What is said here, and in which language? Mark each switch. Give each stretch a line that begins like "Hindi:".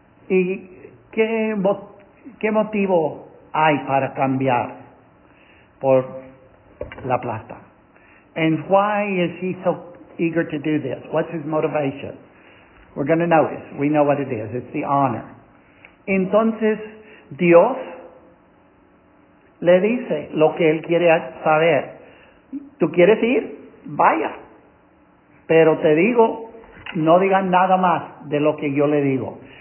Spanish: ¿Y qué motivo hay para cambiar por la plata?
English: And why is he so eager to do this? What's his motivation? We're going to notice. We know what it is. It's the honor.
Spanish: Entonces, Dios le dice lo que él quiere saber. ¿Tú quieres ir? Vaya. Pero te digo, no digan nada más de lo que yo le digo.